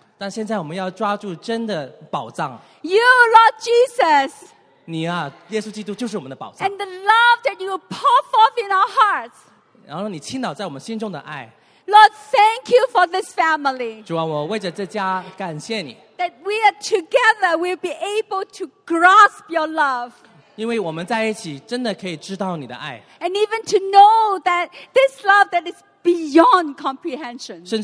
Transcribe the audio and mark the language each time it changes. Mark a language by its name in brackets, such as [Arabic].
[Chinese] 但现在我们要抓住真的宝藏。 [English] You, Lord Jesus. [Chinese] 你啊，耶稣基督就是我们的宝藏。 [English] And the love that you pour forth in our hearts. [Chinese] 然后你倾倒在我们心中的爱。 [English] Lord, thank you for this family. [Chinese] 主啊，我为着这家感谢你。 [English] That we are together, we'll be able to grasp your love. [Chinese] 因为我们在一起，真的可以知道你的爱。 [English] And even to know that this love that is beyond comprehension.